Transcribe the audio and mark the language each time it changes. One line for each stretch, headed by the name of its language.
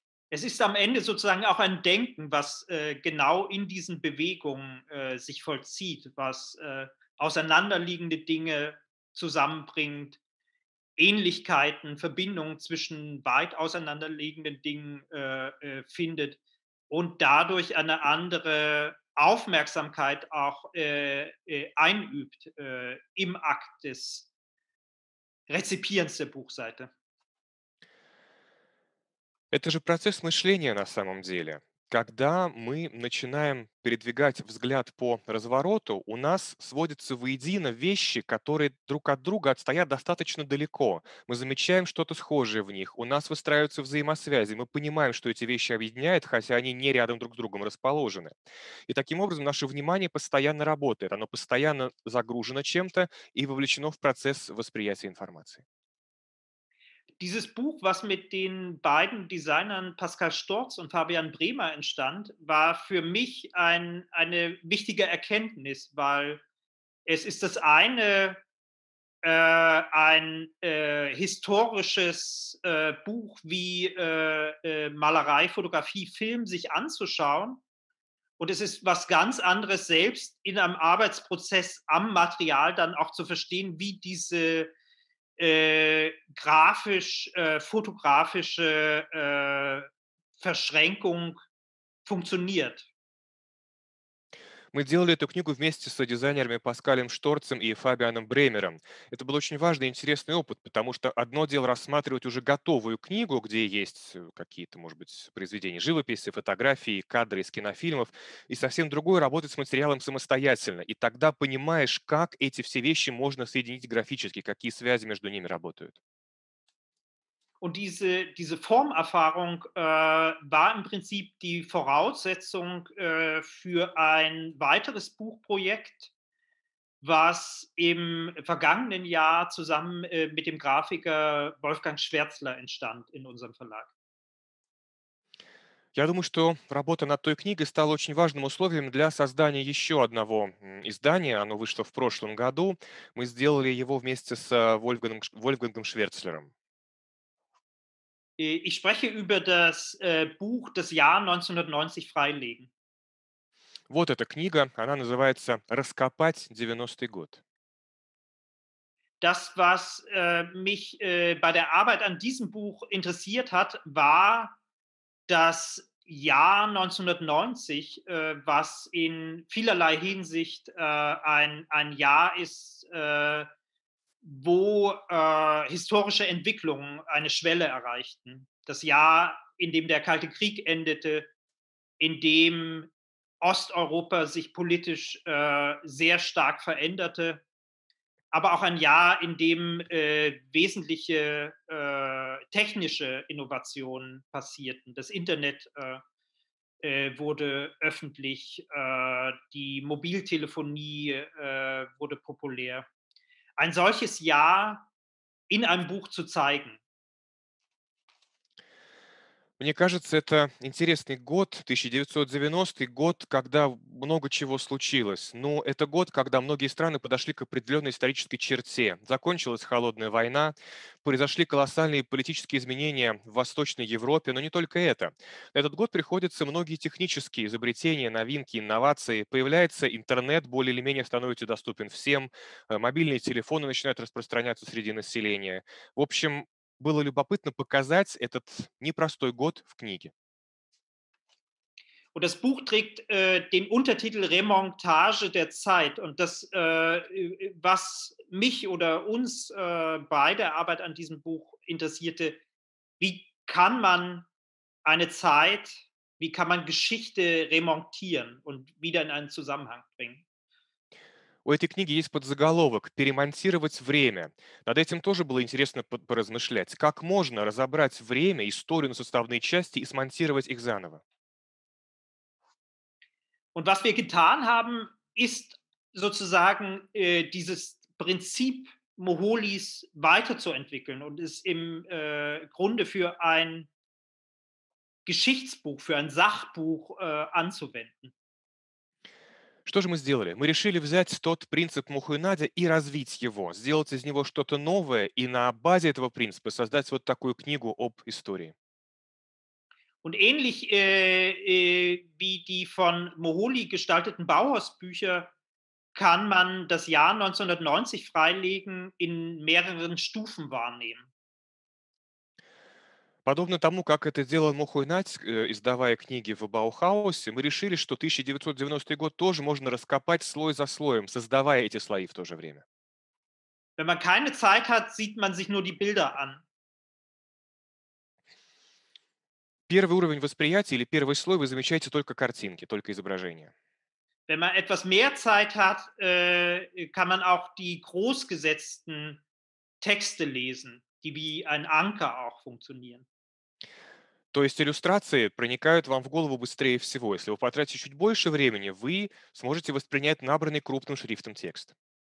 German: Es ist am Ende sozusagen auch ein Denken, was genau in diesen Bewegungen sich vollzieht, was auseinanderliegende Dinge zusammenbringt. Ähnlichkeiten, Verbindungen zwischen weit auseinanderliegenden Dingen findet und dadurch eine andere Aufmerksamkeit auch einübt im Akt des Rezipierens der Buchseite.
Russian: Это же процесс мышления на самом деле. Когда мы начинаем передвигать взгляд по развороту, у нас сводятся воедино вещи, которые друг от друга отстоят достаточно далеко. Мы замечаем что-то схожее в них, у нас выстраиваются взаимосвязи, мы понимаем, что эти вещи объединяют, хотя они не рядом друг с другом расположены. И таким образом наше внимание постоянно работает, оно постоянно загружено чем-то и вовлечено в процесс восприятия информации.
German: Dieses Buch, was mit den beiden Designern Pascal Storz und Fabian Bremer entstand, war für mich eine wichtige Erkenntnis, weil es ist das eine historisches Buch wie Malerei, Fotografie, Film sich anzuschauen und es ist was ganz anderes, selbst in einem Arbeitsprozess am Material dann auch zu verstehen, wie diese grafisch-fotografische Verschränkung funktioniert.
Russian: Мы делали эту книгу вместе с дизайнерами Паскалем Шторцем и Фабианом Бремером. Это был очень важный и интересный опыт, потому что одно дело рассматривать уже готовую книгу, где есть какие-то, может быть, произведения живописи, фотографии, кадры из кинофильмов, и совсем другое — работать с материалом самостоятельно. И тогда понимаешь, как эти все вещи можно соединить графически, какие связи между ними работают.
German: Und diese Formerfahrung war im Prinzip die Voraussetzung für ein weiteres Buchprojekt, was im vergangenen Jahr zusammen mit dem Grafiker Wolfgang Schwärzler entstand in unserem Verlag.
Russian: Я думаю, что работа над той книгой стала очень важным условием для создания еще одного издания. Оно вышло в прошлом году. Мы сделали его вместе с Вольфгангом Шверцлером.
German: Ich spreche über das Buch «Das Jahr 1990 freilegen».
Russian: Вот эта книга, она называется «Раскопать 90-й год».
German: Das, was mich bei der Arbeit an diesem Buch interessiert hat, war das Jahr 1990, was in vielerlei Hinsicht ein Jahr ist, wo historische Entwicklungen eine Schwelle erreichten. Das Jahr, in dem der Kalte Krieg endete, in dem Osteuropa sich politisch sehr stark veränderte, aber auch ein Jahr, in dem wesentliche technische Innovationen passierten. Das Internet wurde öffentlich, die Mobiltelefonie wurde populär. Ein solches Jahr in einem Buch zu zeigen.
Russian: Мне кажется, это интересный год, 1990 год, когда много чего случилось. Но это год, когда многие страны подошли к определенной исторической черте. Закончилась холодная война, произошли колоссальные политические изменения в Восточной Европе, но не только это. На этот год приходятся многие технические изобретения, новинки, инновации. Появляется интернет, более или менее становится доступен всем. Мобильные телефоны начинают распространяться среди населения. В общем, было любопытно показать этот непростой год в книге.
German: Und das Buch trägt den Untertitel Remontage der Zeit. Und das, was mich oder uns bei der Arbeit an diesem Buch interessierte, wie kann man eine Zeit, wie kann man Geschichte remontieren und wieder in einen Zusammenhang bringen?
Russian: У этой книги есть подзаголовок «Перемонтировать время». Над этим тоже было интересно поразмышлять. Как можно разобрать время, историю на составные части и смонтировать их заново?
German: Und was wir getan haben, ist sozusagen dieses Prinzip Moholis weiterzuentwickeln und es im Grunde für ein Geschichtsbuch, für ein Sachbuch anzuwenden.
Russian: Что же мы сделали? Мы решили взять тот принцип Мухуйнадзя и развить его, сделать из него что-то новое и на базе этого принципа создать вот такую книгу об истории.
German: Und ähnlich wie die von Moholy gestalteten Bauhausbücher kann man das Jahr 1990 freilegen in mehreren Stufen wahrnehmen.
Russian: Подобно тому, как это делал Мухуйнадзь, издавая книги в Баухаусе, мы решили, что 1990 год тоже можно раскопать слой за слоем, создавая эти слои в то же время.
German: Wenn man keine Zeit hat, sieht man sich nur die Bilder an.
Russian: Первый уровень восприятия или первый слой вы замечаете только картинки, только изображения.
German: Wenn man etwas mehr Zeit hat, kann man auch die großgesetzten Texte lesen. Die wie ein Anker auch funktionieren.
Russian: То есть иллюстрации проникают вам в голову быстрее всего. Если вы потратите чуть больше времени, вы сможете воспринять набранный крупным шрифтом текст.